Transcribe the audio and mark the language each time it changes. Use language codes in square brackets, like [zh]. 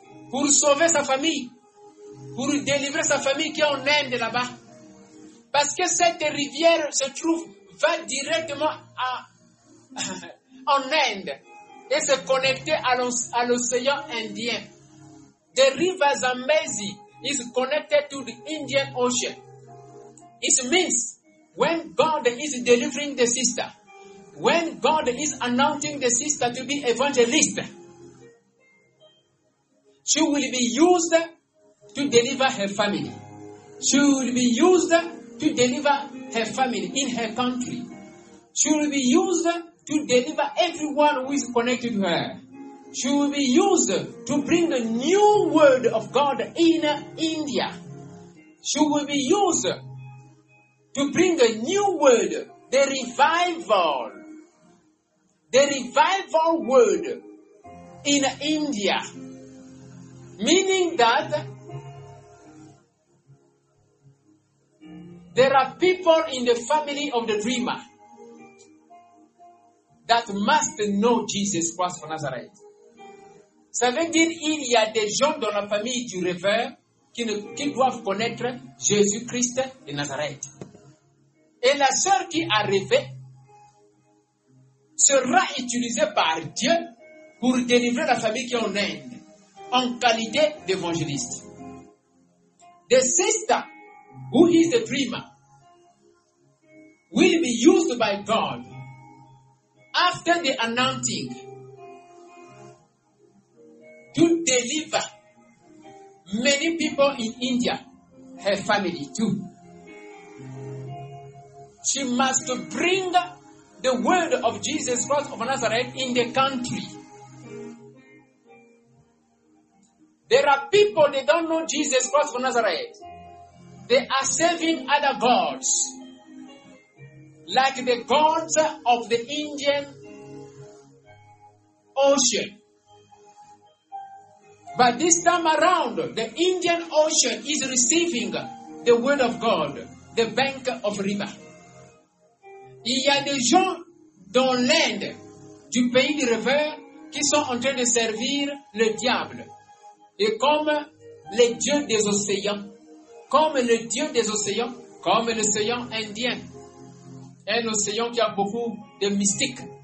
[fr] Pour sauver sa famille. Pour délivrer sa famille qui en aime de là-bas. Parce que cette rivière se trouve, va directement à, en Inde et se connecter à l'océan Indien. [en] The river Zambezi is connected to the Indian Ocean. It means when God is delivering the sister, when God is anointing the sister to be evangelist, she will be used to deliver her family. She will be used to deliver her family in her country. She will be used to deliver everyone who is connected to her. She will be used to bring the new word of God in India. She will be used to bring a new word, the revival word in India. Meaning that there are people in the family of the dreamer that must know Jesus Christ of Nazareth. [fr] Ça veut dire qu'il y a des gens dans la famille du rêveur qui doivent connaître Jésus-Christ de Nazareth. Et la sœur qui a rêvé sera utilisée par Dieu pour délivrer la famille qui est en Inde en qualité d'évangéliste. [en] The sister who is the dreamer will be used by God after the anointing to deliver many people in India, her family too. She must bring the word of Jesus Christ of Nazareth in the country. There are people, they don't know Jesus Christ of Nazareth. They are serving other gods, like the gods of the Indian Ocean. But this time around, the Indian Ocean is receiving the word of God, the bank of river. [fr] Il y a des gens dans l'Inde, du pays du rêveur, qui sont en train de servir le diable. Et comme les dieux des océans, comme le dieu des océans, comme l'océan indien, un océan qui a beaucoup de mystiques.